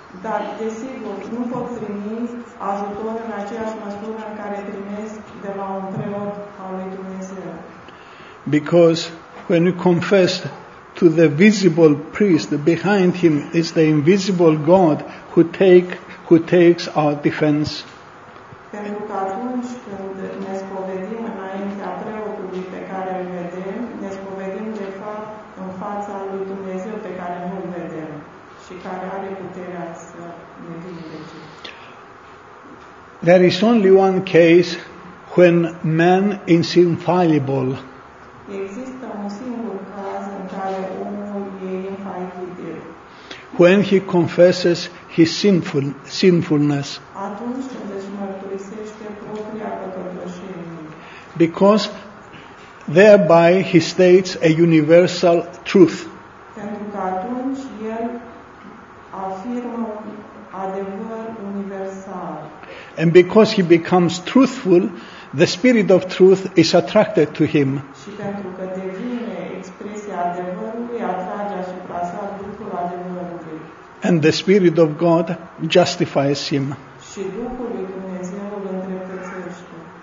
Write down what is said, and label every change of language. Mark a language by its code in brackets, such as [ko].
[ro] Dar desigur, nu pot primi ajutor în aceeași măsură în care primesc de la un preot al lui Dumnezeu. [en] Because when you confess to the visible priest, behind him is the invisible God who takes our defense. [ro] Pentru că atunci când ne spovedim înaintea preotului pe care îl vedem, ne spovedim de fapt în fața lui Dumnezeu pe care nu îl vedem și care are puterea să ne vindece. [en] There is only one case when man is infallible. [ro] Există un singur caz în care omul e infalibil. [en] When he confesses his sinfulness. [ro] Atunci când își mărturisește propria păcătoșenie. [en] Because thereby he states a universal truth. [ro] Pentru că atunci el afirmă un adevăr universal. [en] And because he becomes truthful, the spirit of truth is attracted to him. [ro] Și pentru că devine expresia adevărului, atrage asupra sa Duhul adevărului. [en] And the spirit of God justifies him. [ro] Și Duhul lui Dumnezeu îl îndreptățește.